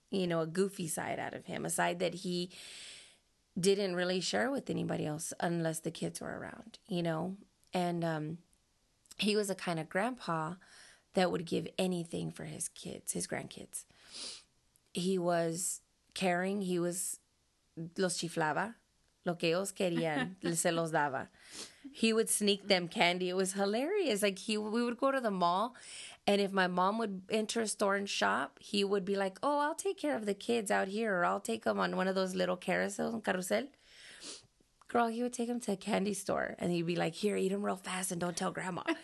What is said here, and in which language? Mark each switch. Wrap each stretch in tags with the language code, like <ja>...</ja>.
<en>You know, a goofy side out of him, a side that he didn't really share with anybody else unless the kids were around, you know. And he was a kind of grandpa that would give anything for his kids, his grandkids. He was caring.</en> <es>He was los chiflaba, lo que ellos querían, se los daba.</es> <en>He would sneak them candy. It was hilarious. Like we would go to the mall, and if my mom would enter a store and shop, he would be like, oh, I'll take care of the kids out here, or I'll take them on one of those little carousel. Girl, he would take them to a candy store, and he'd be like, here, eat them real fast and don't tell grandma.</en>